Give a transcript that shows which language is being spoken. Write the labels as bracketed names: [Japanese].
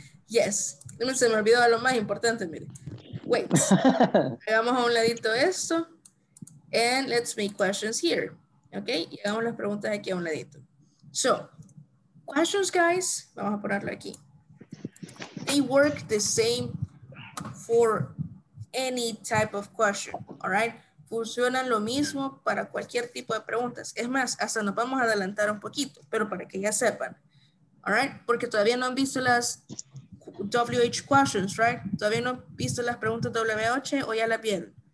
[English] Yes, [Spanish] se me olvidó lo más importante, mire. [English] Wait, [Spanish] hagamos a un ladito esto. [English] And let's make questions here. Okay, [Spanish] y hagamos las preguntas aquí a un ladito. [English] So, questions, guys, [Spanish] vamos a ponerlo aquí. [English] They work the same for any type of question, all right? [Spanish] Funcionan lo mismo para cualquier tipo de preguntas. Es más, hasta nos vamos a adelantar un poquito, pero para que ya sepan, [English] all right? [Spanish] Porque todavía no han visto las WH questions, [English] right? [Spanish] Todavía no han visto las preguntas WH o ya las vieron.